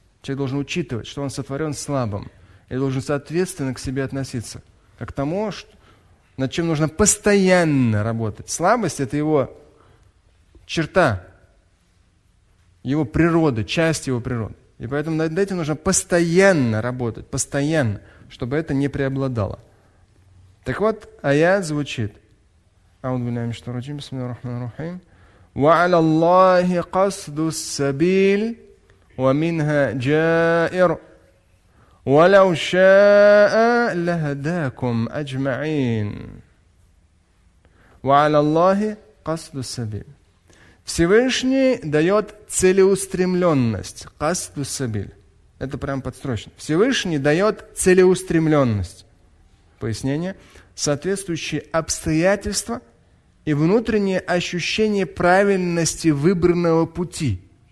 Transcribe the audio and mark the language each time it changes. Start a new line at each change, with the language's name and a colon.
Russian: Человек должен учитывать, что он сотворен слабым и должен соответственно к себе относиться, как к тому, что, над чем нужно постоянно работать. Слабость – это его черта, его природа, часть его природы. И поэтому над этим нужно постоянно работать, постоянно, чтобы это не преобладало. Так вот, аят звучит.
Arabic: أعوذ بالله من الشيطان الرجيم, بسم الله الرحمن الرحيم. وعلى الله قصد السبيل ومنها جائر ولو شاء لهداكم أجمعين. وعلى الله قصد السبيل.
Russian: Всевышний дает целеустремленность.
Arabic: Касту сабиль.
Russian: Это прям подстрочно. Всевышний дает целеустремленность. Пояснение. Соответствующие обстоятельства и внутреннее ощущение правильности выбранного пути.